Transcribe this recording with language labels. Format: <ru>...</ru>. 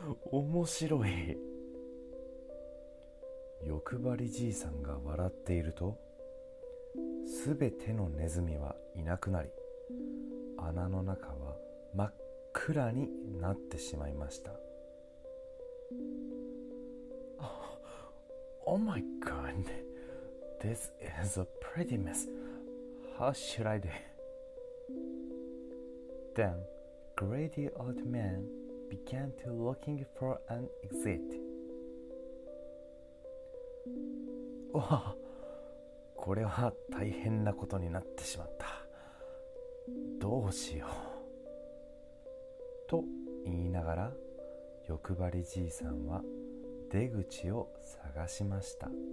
<ja>おもしろい。欲張りじいさんが笑っていると、すべてのネズミはいなくなり、穴の中は真っ暗になってしまいました。</ja> <en>Oh my god, this is a pretty mess. How should I do? Then, greedy old man began to looking for an exit.</en> <ja>わあ、これは大変なことになってしまった。どうしよう。と言いながら、欲張りじいさんは出口を探しました。</ja>